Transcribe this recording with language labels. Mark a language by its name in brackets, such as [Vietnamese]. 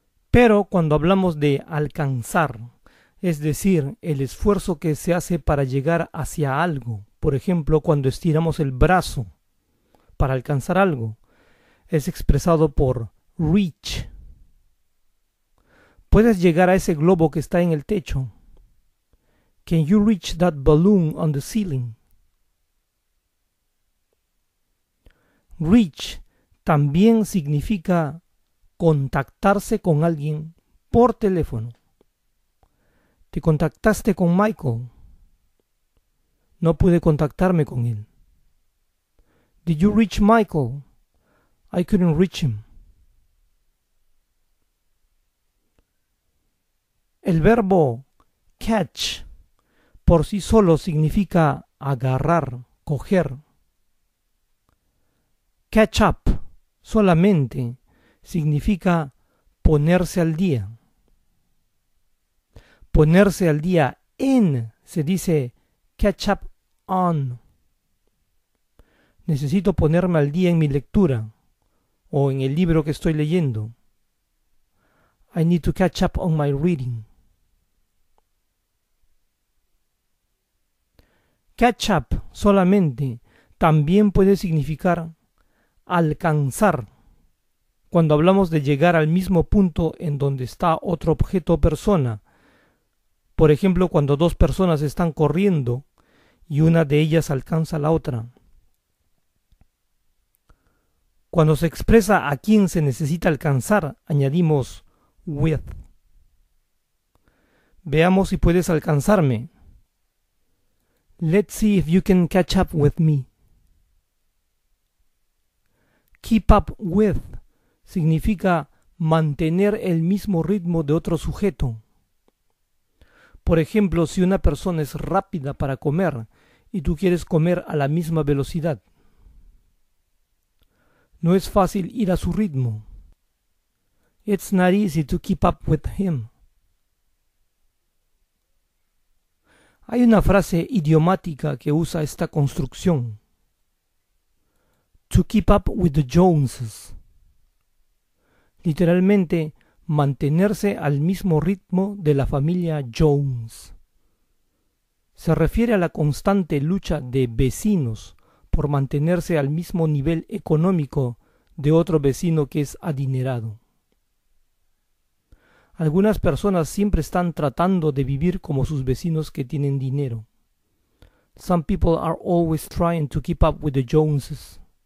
[Spanish] Pero cuando hablamos de alcanzar, es decir, el esfuerzo que se hace para llegar hacia algo, por ejemplo, cuando estiramos el brazo para alcanzar algo, es expresado por reach. Puedes llegar a ese globo que está en el techo. [English] Can you reach that balloon on the ceiling? [Spanish] Reach también significa contactarse con alguien por teléfono. Te contactaste con Michael. No pude contactarme con él. [English] Did you reach Michael? I couldn't reach him. [Spanish] El verbo catch por sí solo significa agarrar, coger. Catch up solamente significa ponerse al día. Ponerse al día en se dice catch up on. Necesito ponerme al día en mi lectura o en el libro que estoy leyendo. [English] I need to catch up on my reading. [Spanish] Catch up solamente también puede significar alcanzar, cuando hablamos de llegar al mismo punto en donde está otro objeto o persona. Por ejemplo, cuando dos personas están corriendo y una de ellas alcanza a la otra. Cuando se expresa a quién se necesita alcanzar, añadimos with. Veamos si puedes alcanzarme. [English] Let's see if you can catch up with me. [Spanish] Keep up with significa mantener el mismo ritmo de otro sujeto. Por ejemplo, si una persona es rápida para comer y tú quieres comer a la misma velocidad, no es fácil ir a su ritmo. [English] It's not easy to keep up with him. [Spanish] Hay una frase idiomática que usa esta construcción. [English] To keep up with the Joneses. [Spanish] Literalmente, mantenerse al mismo ritmo de la familia Jones. Se refiere a la constante lucha de vecinos por mantenerse al mismo nivel económico de otro vecino que es adinerado. Algunas personas siempre están tratando de vivir como sus vecinos que tienen dinero. [English] Some people are always trying to keep up with the Joneses.